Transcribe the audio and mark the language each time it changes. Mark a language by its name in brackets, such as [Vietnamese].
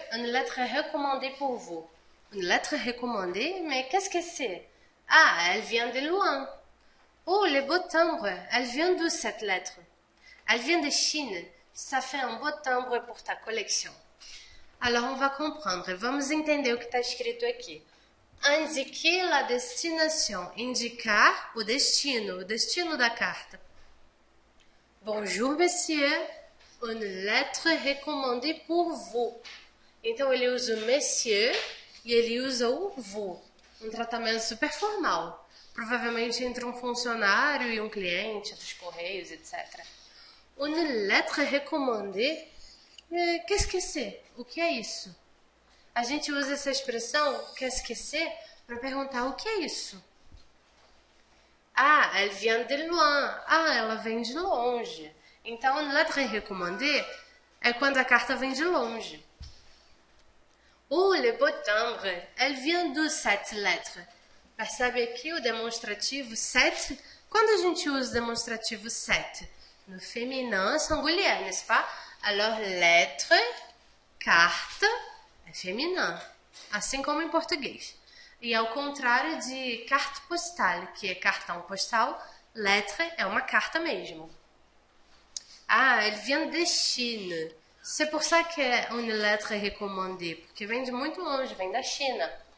[French] Une lettre recommandée pour vous. Une lettre recommandée? Mais qu'est-ce que c'est? Ah, elle vient de loin. Oh, le beau timbre. Elle vient d'où, cette lettre? Elle vient de Chine. Ça fait un beau timbre pour ta collection. Alors, on va comprendre. [Portuguese] Vamos entender o que está escrito aqui. [French] Indiquez la destination. [Portuguese] Indicar o destino da carta. [French] Bonjour, monsieur. Une lettre recommandée pour vous. [Portuguese] Então, ele usa o monsieur e ele usa o vous. Um tratamento super formal. Provavelmente entre um funcionário e um cliente dos correios, etc. [French] Une lettre recommandée. Qu'est-ce que c'est? [Portuguese] O que é isso? A gente usa essa expressão, qu'est-ce que c'est, para perguntar o que é isso? [French] Ah, elle vient de loin. Ah, [Portuguese] ela vem de longe. Então, une lettre recommandée é quando a carta vem de longe. [French] Oh, le beau timbre. Elle vient de cette lettre. [Portuguese] Percebe aqui o demonstrativo cette? Quando a gente usa o demonstrativo cette? No [French] féminin singulier, n'est-ce pas? Alors, lettre, carta, é féminin. [Portuguese] Assim como em português. E ao contrário de carte postale, que é cartão postal, lettre é uma carta mesmo. [French] Ah, elle vient de Chine. C'est pour ça que é une lettre recommandée. [Portuguese] Porque vem de muito longe, vem da China.